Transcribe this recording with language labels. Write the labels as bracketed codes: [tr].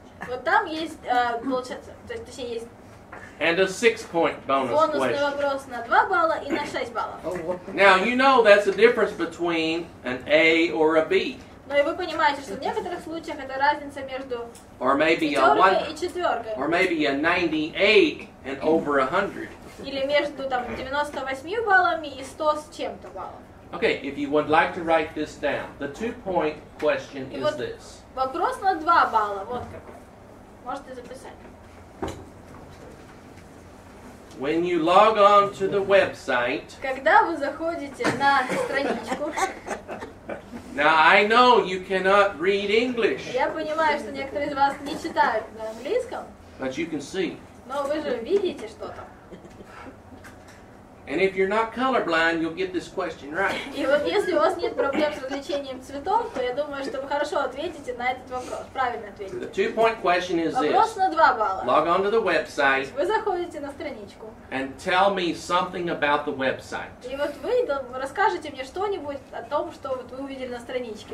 [ru] Вот там есть, получается, точнее есть. [en] And a 6-point bonus question. [ru] Бонусный вопрос на 2 балла и на 6 баллов. [en] Now you know that's the difference between an A or a B. [ru] Но и вы понимаете, что в некоторых случаях это разница между пятеркой и четверкой. [en] Or maybe a 98 and over 100. [ru] Или между там 98 баллами и 100 с чем-то баллом. [en] Okay, if you would like to write this down, the 2-point question is this. [ru] Вопрос на 2 балла, вот какой. Можете записать. [en] When you log on to the website. [ru] Когда вы заходите на страничку. [en] Now I know you cannot read English. [ru] Я понимаю, что некоторые из вас не читают на английском. [en] But you can see. [ru] Но вы же видите что-то. [en] And if you're not colorblind, you'll get this question right. [ru] И вот если у вас нет проблем с различением цветов, то я думаю, что вы хорошо ответите на этот вопрос. Правильно ответите. [en] The 2-point question is this. [ru] Вопрос на 2 балла. [en] Log on to the website. [ru] Вы заходите на страничку. [en] And tell me something about the website. [ru] И вот вы расскажете мне что-нибудь о том, что вот вы увидели на страничке.